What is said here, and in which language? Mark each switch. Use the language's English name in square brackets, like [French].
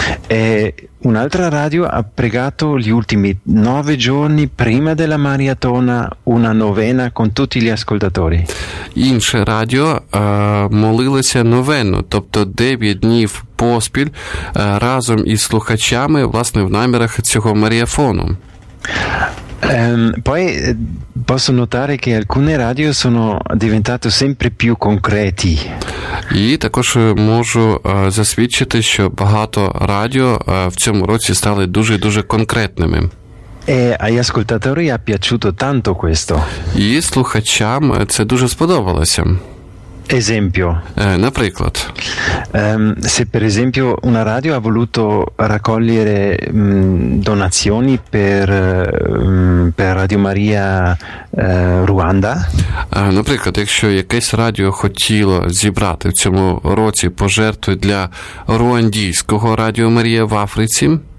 [Italian] E un'altra radio ha pregato gli ultimi 9 giorni prima della maratona una novena con tutti gli ascoltatori. [Ukrainian] Інше радіо молилося новену, тобто 9 днів поспіль разом із слухачами, власне, в намірах цього маріафону. [Italian] Poi posso notare che alcune radio sono diventate sempre più concreti. [Ukrainian] І також можу засвідчити, що багато радіо в цьому році стали дуже-дуже конкретними. [Italian] E agli ascoltatori è piaciuto tanto questo. [Ukrainian] І слухачам це дуже сподобалося. [Italian] Esempio. [Ukrainian] Наприклад. [Italian] Se per esempio una radio ha voluto raccogliere donazioni per Radio Maria Ruanda. [Ukrainian] Наприклад, якщо якесь радіо хотіло зібрати в цьому році пожертви для руандійського Радіо Марія в Африці.